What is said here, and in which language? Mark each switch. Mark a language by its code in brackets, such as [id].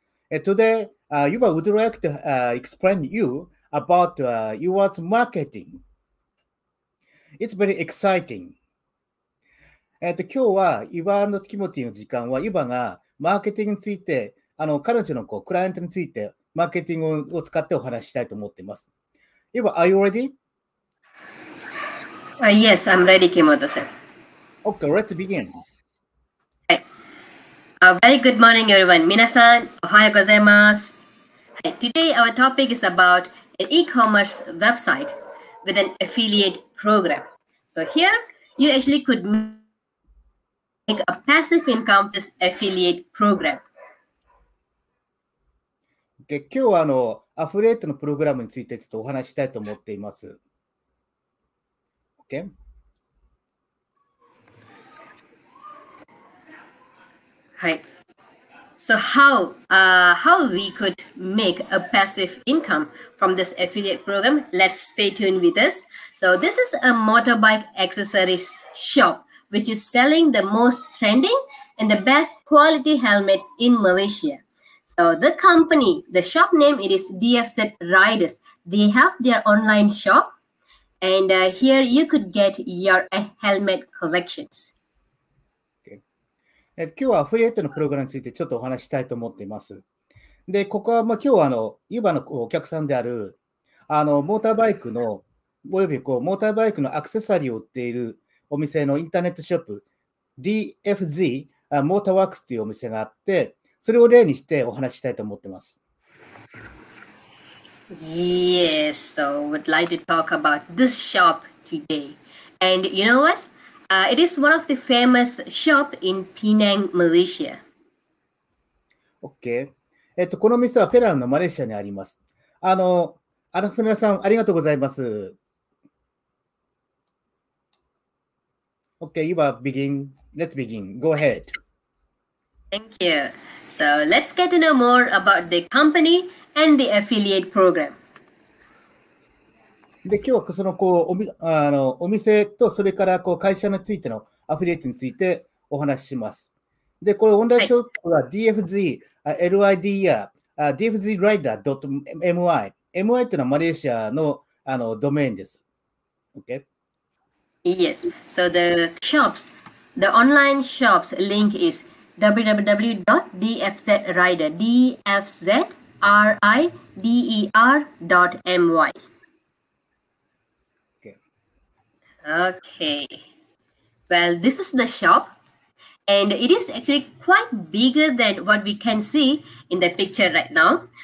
[en] Today, you would like to explain you about your marketing. It's very exciting. [ja] 今日は、イバンとキモティの時間は、イバンがマーケティングについて、彼女のこうクライアントについて、マーケティングを使ってお話ししたいと思っています。 [en] イバン、are you ready? Yes, I'm ready, Kimoto さん。 Okay, let's begin. Hey. Very good morning, everyone. [ja] 皆さん、おはようございます。 [en] Hey, today, our topic is about an e-commerce website with an affiliate program. So here, you actually could make a passive income this affiliate program. [ja] Okay, 今日はアフィリエイトのプログラムについてちょっとお話したいと思っています。 [en] Okay? Right. So how we could make a passive income from this affiliate program? Let's stay tuned with us. So this is a motorbike accessories shop, which is selling the most trending and the best quality helmets in Malaysia. So the company, the shop name, it is DFZ Riders. They have their online shop. And here you could get your helmet collections. [ja] 今日はアフィリエイトのプログラムについてちょっとお話したいと思っています。で、ここは、今日は、ユバのお客さんである、モーターバイクの、およびこう、モーターバイクのアクセサリーを売っているお店のインターネットショップ、DFZ モーターワークスというお店があって、それを例にしてお話したいと思っています。 [en] Yes, so I would like to talk about this shop today. And you know what? It is one of the famous shop in Penang, Malaysia. Okay. [ja] この店はペナンのマレーシアにあります。アラフナさん、ありがとうございます。 [en] Okay, you are begin. Let's begin. Go ahead. Thank you. So let's get to know more about the company and the affiliate program. [ja] で今日はそのこうお店とそれからこう会社についてのアフィリエイトについてお話しします。で、これオンラインショップは DFZ、はい、Rider、DFZ Rider.my。 MY というのはマレーシア のドメインです。 [en] Okay? Yes. So the shops, the online shops link is www.dfzrider.my. Okay, well, this is the shop, and it is actually quite bigger than what we can see in the picture right now.